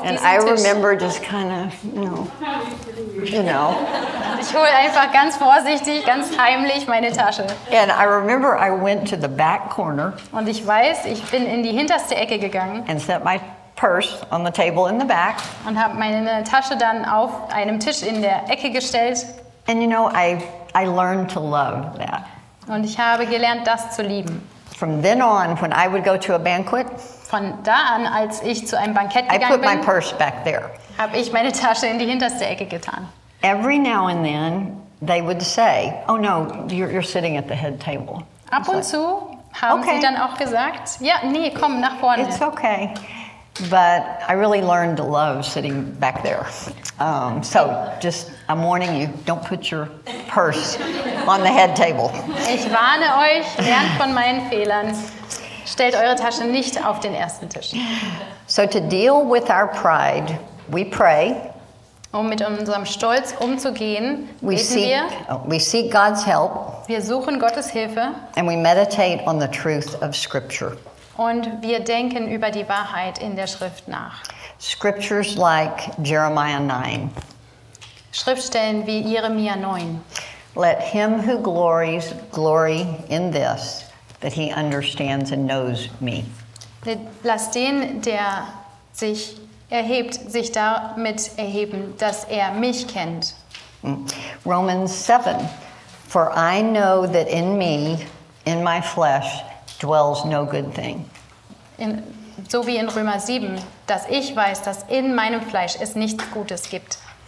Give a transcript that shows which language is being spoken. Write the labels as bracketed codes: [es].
[en] and [de] diesem Tisch. [en] And I remember just kind of, you know. [de] Ich hole einfach ganz vorsichtig, ganz heimlich meine Tasche. [en] And I remember I went to the back corner. [de] Und ich weiß, ich bin in die hinterste Ecke gegangen. [en] And set my purse on the table in the back. [de] Und habe meine Tasche dann auf einem Tisch in der Ecke gestellt. [en] And you know, I learned to love that. [de] Und ich habe gelernt, das zu lieben. [en] From then on, when I would go to a banquet, [de] von da an, als ich zu einem Bankett gegangen bin, [en] I put my purse back there. [de] Habe ich meine Tasche in die hinterste Ecke getan. [en] Every now and then, they would say, "Oh no, you're sitting at the head table." [de] Ab und zu haben sie dann auch gesagt, "Ja, nee, komm nach vorne." [en] It's okay. But I really learned to love sitting back there. So just, I'm warning you, don't put your purse on the head table. [de] Ich warne euch, lernt von meinen Fehlern. Stellt eure Tasche nicht auf den ersten Tisch. [en] So to deal with our pride, we pray. [de] Um mit unserem Stolz umzugehen, [en] we seek God's help. [de] Wir suchen Gottes Hilfe. [en] And we meditate on the truth of Scripture. [de] Und wir denken über die Wahrheit in der Schrift nach. [en] Scriptures like Jeremiah 9. [de] Schriftstellen wie Jeremia 9. [en] Let him who glories glory in this, that he understands and knows me. [de] Lass den, der sich erhebt, sich damit erheben, dass er mich kennt. [en] Romans 7. For I know that in me, in my flesh, dwells no good thing. [de] So wie in Römer 7, dass ich weiß, dass in meinem Fleisch es nichts Gutes gibt.